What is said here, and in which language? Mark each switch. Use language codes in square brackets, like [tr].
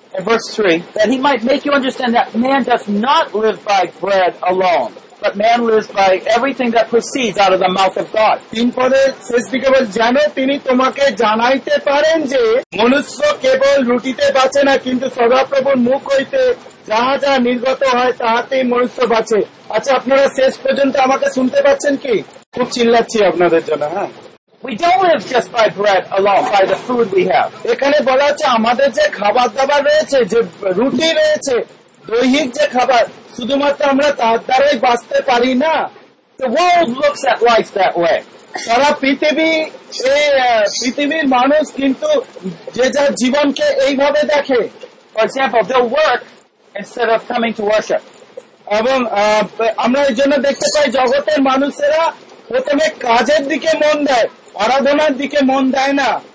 [en] Verse 3, that he might make you understand that man does not live by bread alone, but man lives by everything that proceeds out of the mouth of God. [bn] তিনপরে শেষ দিকে বল জানো তিনি তোমাকে জানাইতে পারেন যে মনুষ্য কেবল রুটিতে বাঁচে না কিন্তু সদাপ্রভুর মুখ হইতে যাহা যা নির্গত হয় তাহাতেই মনুষ্য বাঁচে। আচ্ছা আপনারা শেষ পর্যন্ত আমাকে শুনতে পাচ্ছেন কি? খুব চিল্লাচ্ছি আপনাদের জন্য। হ্যাঁ, [en] we don't live just by bread alone, by the food we have. [bn] এখানে বলা আছে আমাদের যে খাবার দাবার রয়েছে, যে রুটি রয়েছে, দৈহিক যে খাবার, শুধুমাত্র আমরা তার দ্বারাই বাঁচতে পারি না। [en] The world looks at life that way. [bn] সারা পৃথিবী, এই পৃথিবীর মানুষ কিন্তু যে যার জীবনকে এইভাবে দেখে। [en] For example, they'll work instead of coming to worship. [bn] এবং আমরা এই জন্য দেখতে পাই জগতের মানুষেরা প্রথমে কাজের দিকে মন দেয়, আরাধনার দিকে মন দেয় না।